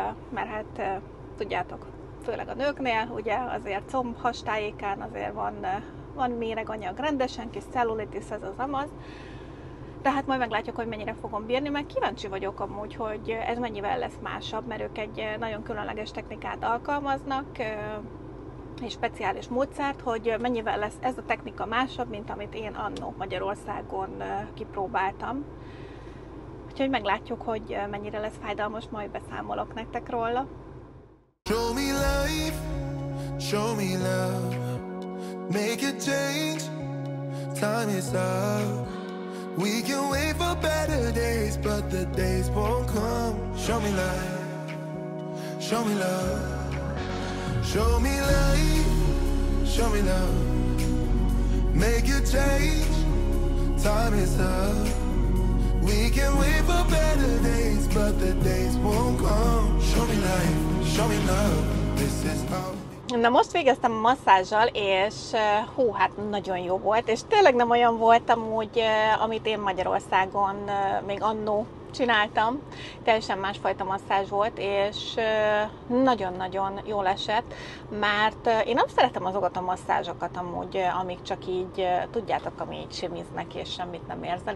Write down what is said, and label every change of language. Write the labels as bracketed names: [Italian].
[Hungarian] mert hát tudjátok, főleg a nőknél, ugye azért comb hastájékán azért van méreganyag rendesen, kis cellulitis ez az amaz, de hát majd meglátjuk, hogy mennyire fogom bírni, mert kíváncsi vagyok amúgy, hogy ez mennyivel lesz másabb, mert ők egy nagyon különleges technikát alkalmaznak, és speciális módszert, hogy mennyivel lesz ez a technika másabb, mint amit én anno Magyarországon kipróbáltam. Úgyhogy meglátjuk, hogy mennyire lesz fájdalmas, majd beszámolok nektek róla. [English] Show me life, show me love, make a change, time is up. We can wait for better days, but the days won't come. Show me life, show me love. Show me life, show me love. Make a change, time is up. We can wait for better days, but the days won't come. Show me life, show me love. This is how. [Hungarian] Na most végeztem a masszázzsal, és hú, hát nagyon jó volt, és tényleg nem olyan volt amúgy, amit én Magyarországon még anno csináltam. Teljesen másfajta masszázs volt, és nagyon-nagyon jól esett, mert én nem szeretem azokat a masszázsokat amúgy, amik csak így, tudjátok, ami így simíznek, és semmit nem érzel.